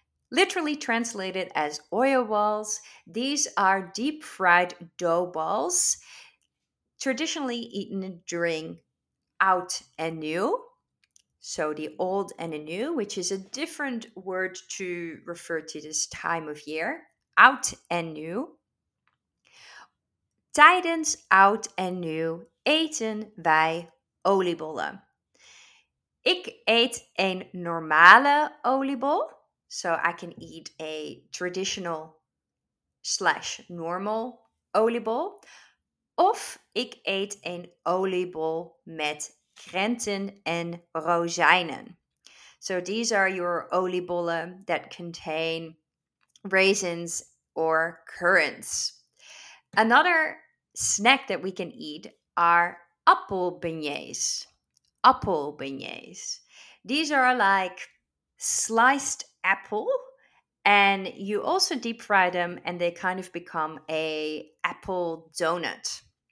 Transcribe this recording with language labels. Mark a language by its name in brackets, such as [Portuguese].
[English] Literally translated as oil balls, these are deep fried dough balls, traditionally eaten during oud and nieuw. So the old and the new, which is a different word to refer to this time of year, oud and nieuw. [Dutch] Tijdens oud en nieuw eten wij oliebollen. Ik eet een normale oliebol. [English] So I can eat a traditional / normal oliebol. [Dutch] Of ik eet een oliebol met krenten en rozijnen. [English] So these are your oliebollen that contain raisins or currants. Another snack that we can eat are appelbeignets. Appelbeignets. These are like sliced apple, and you also deep fry them and they kind of become a apple donut.